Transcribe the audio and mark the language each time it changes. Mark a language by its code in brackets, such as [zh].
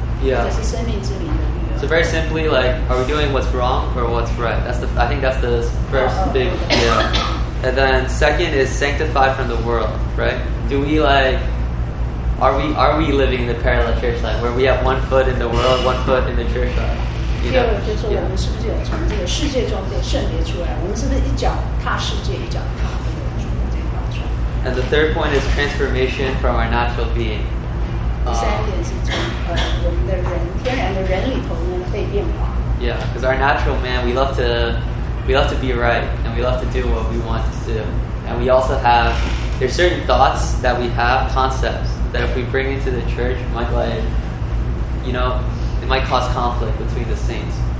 [en] Yeah. So very simply, like, are we doing what's wrong or what's right? That's the, I think that's the first big, yeah. And then second is sanctified from the world, right? Do we like, are we living in the parallel church life where we have one foot in the world, one foot in the church life? [zh] 第二个就是我们是不是也从这个世界中被圣别出来，我们是不是一脚踏世界，一脚踏这个主这块出来。 [en] And the third point is transformation from our natural being. [zh] 第三点是从我们的人，天然的人里头呢被变化。 [en] Yeah, because our natural man, we love to be right, and we love to do what we want to do. And we also have, there's certain thoughts that we have, concepts, that if we bring into the church, might like, you know, it might cause conflict between the saints.